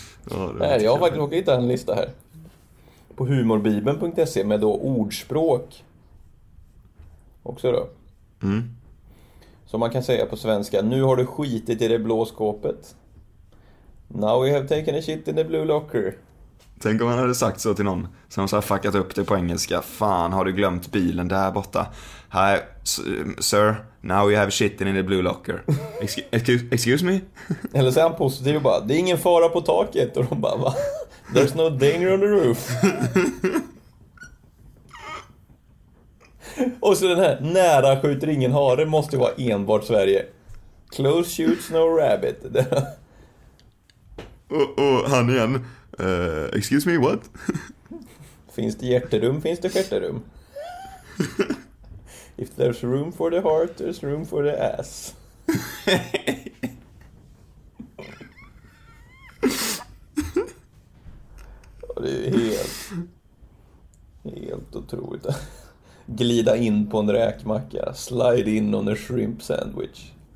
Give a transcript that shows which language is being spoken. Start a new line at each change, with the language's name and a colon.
Swedish: Ja, det är jag har faktiskt hittat en lista här på humorbibeln.se med då ordspråk också då. Mm. Så man kan säga på svenska: nu har du skitit i det blå skåpet.
English: Now we have taken a shit in the blue locker.
Swedish: Tänk om man hade sagt så till någon som så här fuckat upp det på engelska. Fan, har du glömt bilen där borta?
English: Hi, sir, now we have shit in the blue locker. Excuse me?
Swedish: Eller så är han positiv och bara: det är ingen fara på taket. Och de bara: va?
English: There's no danger on the roof.
Swedish: Och så den här: nära skjuter ingen hare, måste ju vara enbart Sverige.
English: Close shoots no rabbit.
Swedish: Och han igen:
English: excuse me, what?
Swedish: Finns det hjärterum, finns det skärterum.
English: If there's room for the heart, there's room for the ass.
Swedish: Ja, det är helt otroligt. Glida in på en räkmacka.
English: Slide in on a shrimp sandwich.